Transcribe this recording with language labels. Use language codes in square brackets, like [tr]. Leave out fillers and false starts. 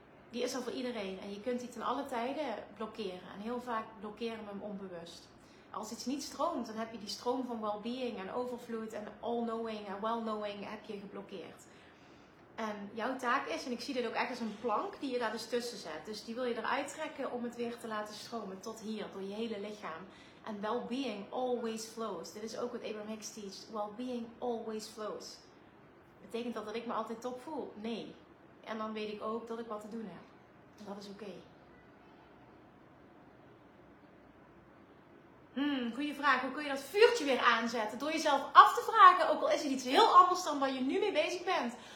[nl] Die is er voor iedereen en je kunt die ten alle tijden blokkeren. En heel vaak blokkeren we hem onbewust. Als iets niet stroomt, dan heb je die stroom van well-being en overvloed en all-knowing en well-knowing heb je geblokkeerd. En jouw taak is, en ik zie dit ook echt als een plank die je daar dus tussen zet. Dus die wil je eruit trekken om het weer te laten stromen tot hier, door je hele lichaam. En [en] well-being always flows. [nl] Dit is ook wat Abraham Hicks teacht. [en] Well-being always flows. [nl] Betekent dat ik me altijd top voel? Nee. En dan weet ik ook dat ik wat te doen heb. En dat is oké. Goede vraag. Hoe kun je dat vuurtje weer aanzetten? Door jezelf af te vragen, ook al is het iets heel anders dan waar je nu mee bezig bent.